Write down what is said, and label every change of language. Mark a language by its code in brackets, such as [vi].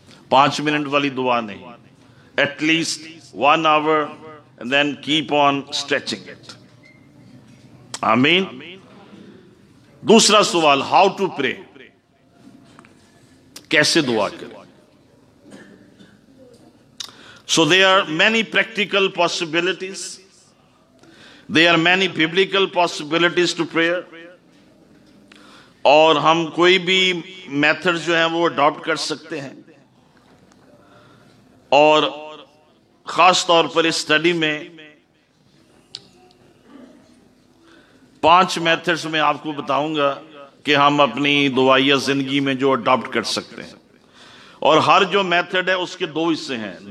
[hi] 5 minute वाली दुआ नहीं, [en] At least 1 hour, and then keep on stretching it. आमीन। [hi] दूसरा सवाल, [en] how to pray, [hi] कैसे दुआ करें। [en] So there are many practical possibilities. There are many biblical possibilities to prayer. [hi] और हम कोई भी मेथड जो है वो अडॉप्ट कर सकते हैं, और खास तौर पर इस स्टडी में 5 मेथड्स में आपको बताऊंगा कि हम अपनी दुआइया जिंदगी में जो अडॉप्ट कर सकते हैं, और हर जो मेथड है उसके 2 हिस्से हैं।